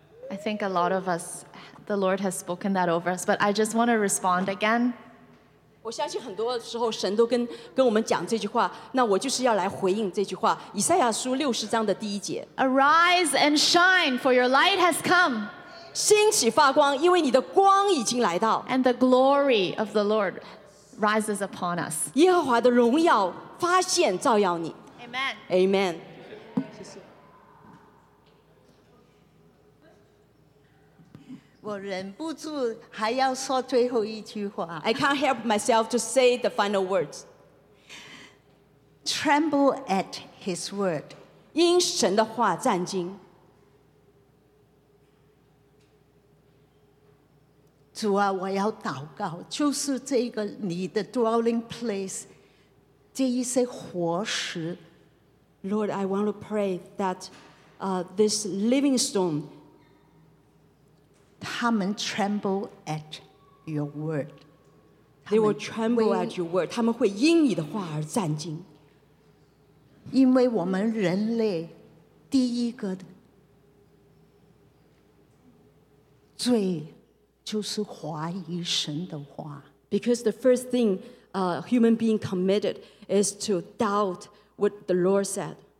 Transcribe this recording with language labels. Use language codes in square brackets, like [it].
[en] I think a lot of us, the Lord has spoken that over us, but I just want to respond again. [zh] 我相信很多时候神都跟我们讲这句话，那我就是要来回应这句话。以赛亚书六十章的第一节。 [en] Arise and shine, for your light has come. [zh] 兴起发光，因为你的光已经来到。 [en] And the glory of the Lord rises upon us. [zh] 耶和华的荣耀发现照耀你 [en] Amen. Amen. I can't help myself to say the final words. Tremble at His word. [zh] 因神的话战惊。主啊，我要祷告，就是这个你的 [en] dwelling place。 [zh] 这一些活石 [en] Lord, I want to pray that this living stone, [zh] 他们 [en] tremble at your word. They will tremble at your word. [zh] 他们会因你的话而战惊。因为我们人类第一个罪就是怀疑神的话。 [en] Because the first thing a human being committed is to doubt what the Lord said.